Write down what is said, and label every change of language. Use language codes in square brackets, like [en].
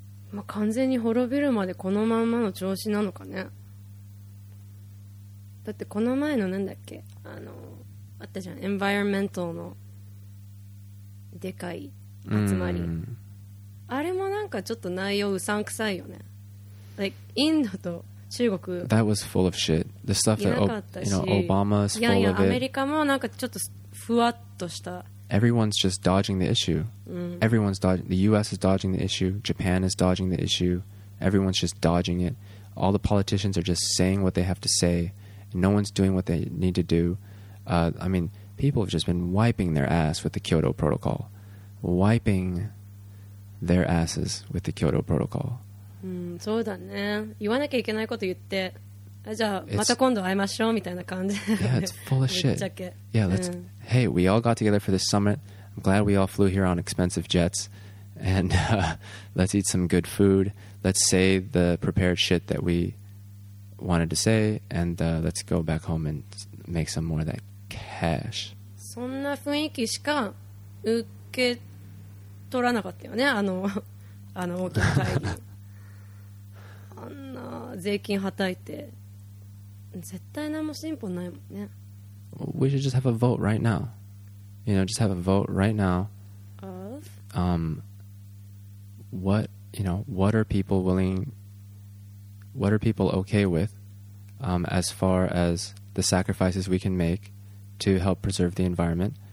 [ja] まあ、完全に滅びるまでこのまんまの調子なのかね。だってこの前のなんだっけ、あの、あったじゃん、environmental のでかい集まり。あれもなんかちょっと内容うさんくさいよね。 Like, インドと中国。 [en] That was full of shit. The stuff that, you know, Obama's full of it. [ja] いやいや、アメリカもなんかちょっとふわっとした。 [en] Everyone's just dodging the issue. Everyone's dodging. The U.S. is dodging the issue. Japan is dodging the issue. Everyone's just dodging it. All the politicians are just saying what they have to say. And no one's doing what they need to do. I mean, people have just been wiping their ass with the Kyoto Protocol. Wiping their asses with the Kyoto Protocol. [ja] そうだね。言わなきゃいけないこと言って、じゃあまた今度会いましょうみたいな感じ。 [en] Yeah, it's full of shit. Yeah, let's. Hey, we all got together for this summit. I'm glad we all flew here on expensive jets. And let's eat some good food. Let's say the prepared shit that we wanted to say. And let's go back home and make some more of that cash. [ja] そんな雰囲気しか受け取らなかったよね。あの大きな会議。あんな税金はたいて絶対何も進歩ないもんね。 [en] We should just have a vote right now. You know, just have a vote right now. Of? What, you know, what are people willing, what are people okay with, as far as the sacrifices we can make to help preserve the environment?